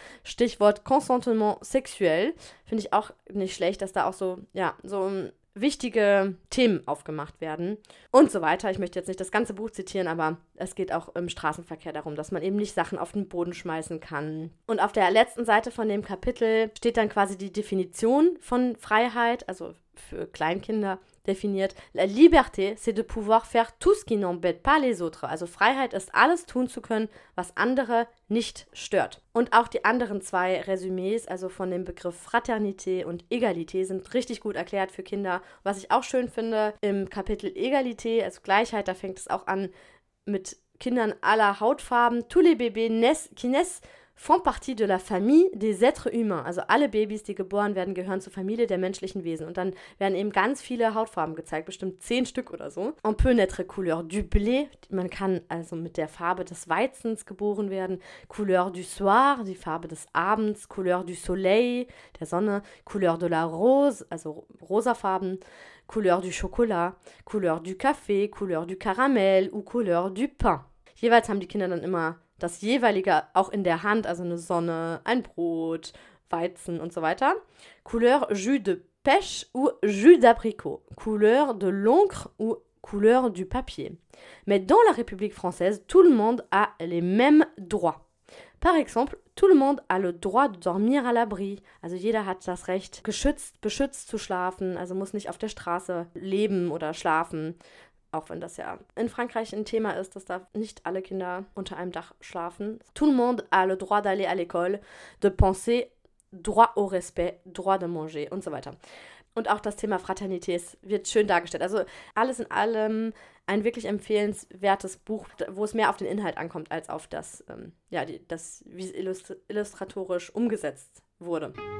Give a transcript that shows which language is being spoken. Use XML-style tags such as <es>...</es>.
<de>Stichwort Consentement sexuell. Finde ich auch nicht schlecht, dass da auch so, ja, so wichtige Themen aufgemacht werden und so weiter. Ich möchte jetzt nicht das ganze Buch zitieren, aber es geht auch im Straßenverkehr darum, dass man eben nicht Sachen auf den Boden schmeißen kann. Und auf der letzten Seite von dem Kapitel steht dann quasi die Definition von Freiheit, also für Kleinkinder definiert.</de> <fr>La liberté, c'est de pouvoir faire tout ce qui n'embête pas les autres.</fr> <de>Also Freiheit ist, alles tun zu können, was andere nicht stört. Und auch die anderen zwei Resümees, also von dem Begriff Fraternité und Egalité, sind richtig gut erklärt für Kinder. Was ich auch schön finde, im Kapitel Egalité, also Gleichheit, da fängt es auch an mit Kindern aller Hautfarben.</de> <fr>Tous les bébés qui naissent font partie de la famille des êtres humains.</fr> <de>Also alle Babys, die geboren werden, gehören zur Familie der menschlichen Wesen. Und dann werden eben ganz viele Hautfarben gezeigt, bestimmt 10 Stück oder so.</de> <fr>On peut naître couleur du blé,</fr> <de>man kann also mit der Farbe des Weizens geboren werden.</de> <fr>Couleur du soir,</fr> <de>die Farbe des Abends.</de> <fr>Couleur du soleil,</fr> <de>der Sonne.</de> <fr>Couleur de la rose,</fr> <de>also rosafarben.</de> <fr>Couleur du chocolat, couleur du café, couleur du caramel ou couleur du pain.</fr> <de>Jeweils haben die Kinder dann immer das jeweilige auch in der Hand, also eine Sonne, ein Brot, Weizen und so weiter.</de> <fr>Couleur jus de pêche ou jus d'abricot. Couleur de l'encre ou couleur du papier. Mais dans la République française, tout le monde a les mêmes droits. Par exemple, tout le monde a le droit de dormir à l'abri.</fr> <de>Also jeder hat das Recht, geschützt, beschützt zu schlafen, also muss nicht auf der Straße leben oder schlafen. Auch wenn das ja in Frankreich ein Thema ist, dass da nicht alle Kinder unter einem Dach schlafen.</de> <fr>Tout le monde a le droit d'aller à l'école, de penser, droit au respect, droit de manger</fr> <de>und so weiter. Und auch das Thema Fraternität wird schön dargestellt. Also alles in allem ein wirklich empfehlenswertes Buch, wo es mehr auf den Inhalt ankommt, als auf das, wie es illustratorisch umgesetzt wurde.</de>